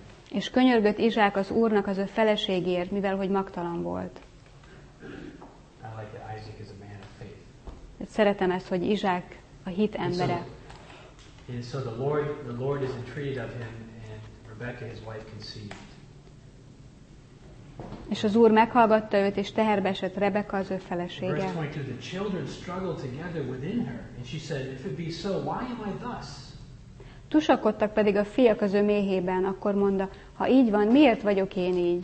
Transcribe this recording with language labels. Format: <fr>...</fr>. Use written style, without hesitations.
<hu>És könyörgött Izsák az Úrnak az ő feleségért, mivel hogy magtalan volt.</hu> <en>I like that Isaac is a man of faith.</en> <hu>Szeretem ezt, hogy Izsák a hit embere.</hu> <en>And so the Lord is entreated of him. Rebecca, his wife, conceived.</en> <hu>És az Úr meghallgatta őt, és teherbe esett Rebecca, az ő felesége.</hu> <en>Verse 22, the children struggled together within her, and she said, if it be so, why am I thus?</en> <hu>Tusakodtak pedig a fiak az ő méhében, akkor mondta, ha így van, miért vagyok én így?</hu>